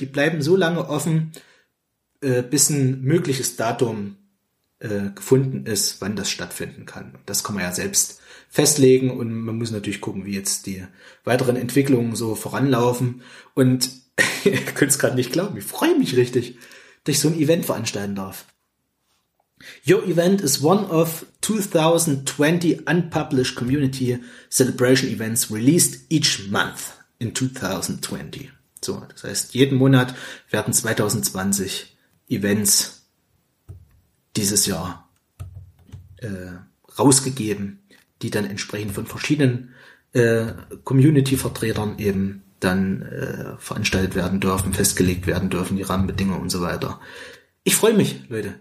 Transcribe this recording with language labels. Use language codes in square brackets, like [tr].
[de] Die bleiben so lange offen, bis ein mögliches Datum gefunden ist, wann das stattfinden kann. Das kann man ja selbst festlegen und man muss natürlich gucken, wie jetzt die weiteren Entwicklungen so voranlaufen. Und ihr könnt es gerade nicht glauben, ich freue mich richtig, dass ich so ein Event veranstalten darf. [en] Your event is one of 2020 unpublished community celebration events released each month in 2020. [de] So, das heißt, jeden Monat werden 2020 Events dieses Jahr rausgegeben, die dann entsprechend von verschiedenen Community-Vertretern eben dann veranstaltet werden dürfen, festgelegt werden dürfen, die Rahmenbedingungen und so weiter. Ich freue mich, Leute.